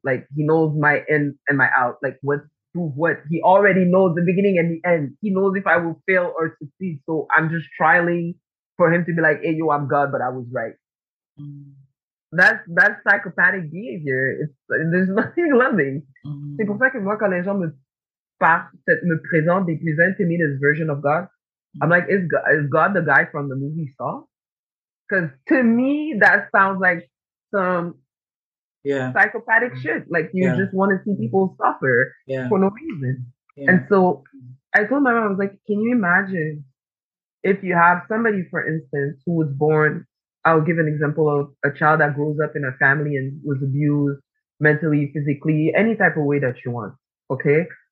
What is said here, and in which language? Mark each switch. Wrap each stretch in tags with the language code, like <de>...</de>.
<en>Like, he knows my in and my out. Like, what he already knows the beginning and the end. He knows if I will fail or succeed. So I'm just trialing for him to be like, hey, yo, I'm God, but I was right. Mm. That's psychopathic behavior. There's nothing loving. Mm.</en> <fr>C'est pour ça que moi, quand les gens me présentent,</fr> <en>they present to me this version of God. Mm. I'm like, is God the guy from the movie Saw? Because to me, that sounds like some psychopathic shit. Like, you just want to see people suffer for no reason. Yeah. And so I told my mom, I was like, can you imagine if you have somebody, for instance, who was born, I'll give an example of a child that grows up in a family and was abused mentally, physically, any type of way that you want, okay?</en>